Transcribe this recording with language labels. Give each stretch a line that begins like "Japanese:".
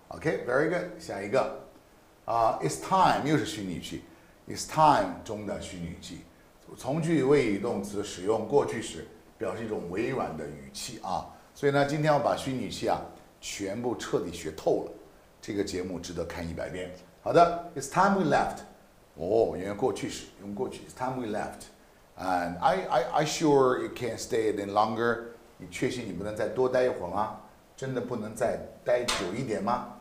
English: OK, very good.
Chinese: 下一个，it's time 又是虚拟语气 ，it's time 中的虚拟语气，从句谓语动词使用过去时，表示一种委婉的语气啊。所以呢，今天我把虚拟语气啊全部彻底学透了，这个节目值得看一百遍。好的 ，
English: it's time we left.
Chinese: 哦，用过去时，用过去 ，it's time we left.
English: And I sure you can't stay any longer.
Chinese: 你确信你不能再多待一会儿吗？真的不能再待久一点吗？